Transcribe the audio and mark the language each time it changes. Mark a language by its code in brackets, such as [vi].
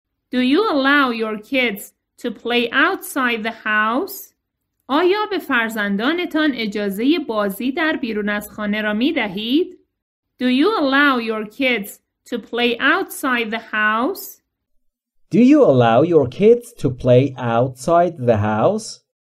[en] Do you allow your kids to play outside the house? [fa] آیا به فرزندانتان اجازه بازی در بیرون از خانه را می دهید؟ [en] Do you allow your kids to play outside the house? Do you allow your kids to play outside the house?